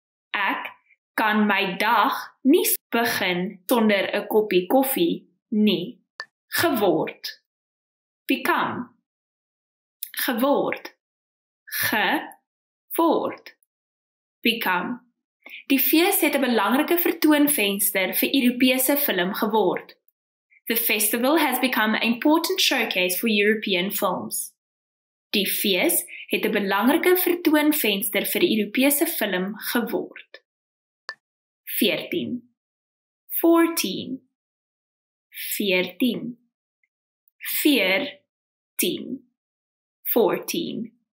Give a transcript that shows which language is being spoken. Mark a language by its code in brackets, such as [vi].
[af] Ek kan my dag nie begin sonder 'n koppie koffie nie. Geword. [en] Become. [af] Geword. Geword. [en] Become. [af] Die fees het 'n belangrike vertoonvenster vir Europese film geword. [en] The festival has become an important showcase for European films. [af] Die fees het 'n belangrike vertoonvenster vir Europese film geword. 14. 14. 14. 14. 14.